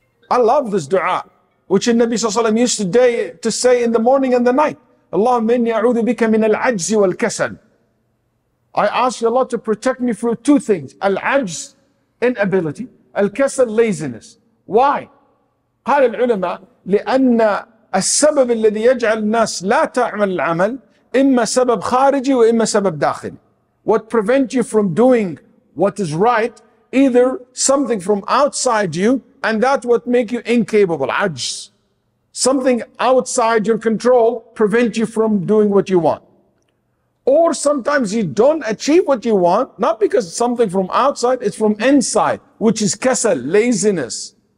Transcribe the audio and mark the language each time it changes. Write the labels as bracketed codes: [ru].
[en] I love this dua, which in Nabi Sallallahu Alaihi Wasallam used to say in the morning and the night. [ar] Allahumma inni a'udhu bika min al-ajz wal-kasal. [en] I ask you, Allah, to protect me through two things. Al-ajz, inability. Al-kasal, laziness. Why? [ar] قال العلماء لأن السبب الذي يجعل الناس لا تعمل العمل إما سبب خارجي وإما سبب داخلي. [en] What prevents you from doing what is right, either something from outside you, and that's what makes you incapable, ajz. Something outside your control prevents you from doing what you want. Or sometimes you don't achieve what you want, not because it's something from outside, it's from inside, which is kasal, laziness.